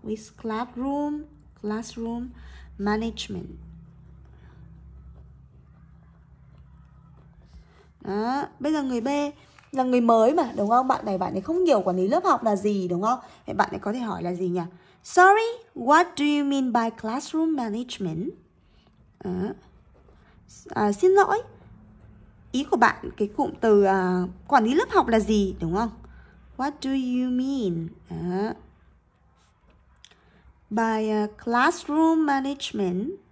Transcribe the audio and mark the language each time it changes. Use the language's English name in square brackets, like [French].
[English] With classroom management. [Vietnamese] Đó, bây giờ người B là người mới mà, đúng không? Bạn này không hiểu quản lý lớp học là gì, đúng không? Thì bạn này có thể hỏi là gì nhỉ? [English] Sorry, what do you mean by classroom management? [Vietnamese] Xin lỗi, ý của bạn cái cụm từ quản lý lớp học là gì, đúng không? [English] What do you mean by classroom management?